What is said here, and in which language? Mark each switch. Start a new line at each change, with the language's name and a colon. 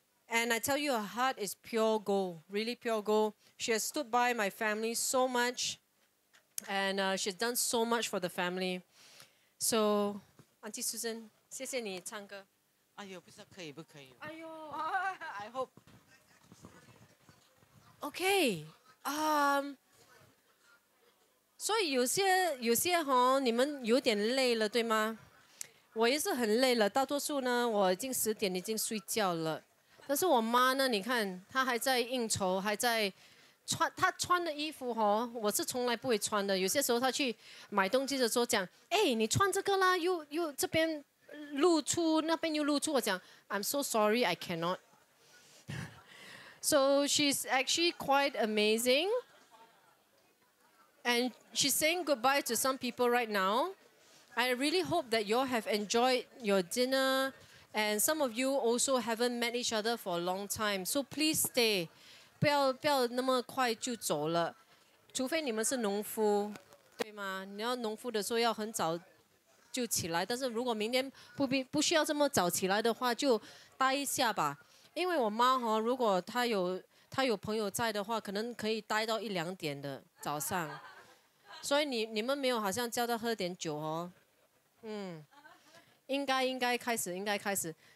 English: And I tell you, her heart is pure gold, really pure gold. She has stood by my family so much. And she's done so much for the family.
Chinese: So, Auntie Susan, 谢谢你唱歌。哎呦，不知道可以不可以。哎呦
English: I hope. Okay.
Chinese: 所以有些吼，你们有点累了，对吗？我也是很累了。大多数呢，我已经十点已经睡觉了。但是我妈呢，你看她还在应酬，还在穿她穿的衣服吼，我是从来不会穿的。有些时候她去买东西的时候讲，哎，你穿这个啦，又这边露出，那边又露出。我讲 ， I'm so sorry, I cannot.
English: So she's actually quite amazing. And she's saying goodbye to some people right now. I really hope that you all have enjoyed your dinner, and some of you also haven't met each other for a long time. So please stay.
Chinese: 不要那么快就走了，除非你们是农夫，对吗？你要农夫的时候要很早就起来，但是如果明天不需要这么早起来的话，就待一下吧。因为我妈如果她有朋友在的话，可能可以待到一两点的早上。所以你们没有好像叫她喝点酒哦？嗯，应该开始。